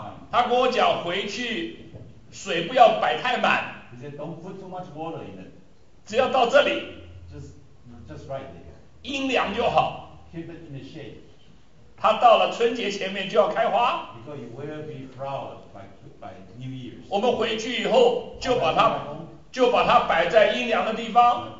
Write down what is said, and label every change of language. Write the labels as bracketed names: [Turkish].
[Chinese] 他跟我讲回去水不要摆太满。 [English] He said, don't put too much water in it. [Chinese] 只要到这里。 [English] Just right there. [Chinese] 阴凉就好。 [English] Keep it in the shade. [Chinese] 他到了春节前面就要开花。 [English] Because it will be flowered by New Year's. [Chinese] 我们回去以后就把它摆在阴凉的地方。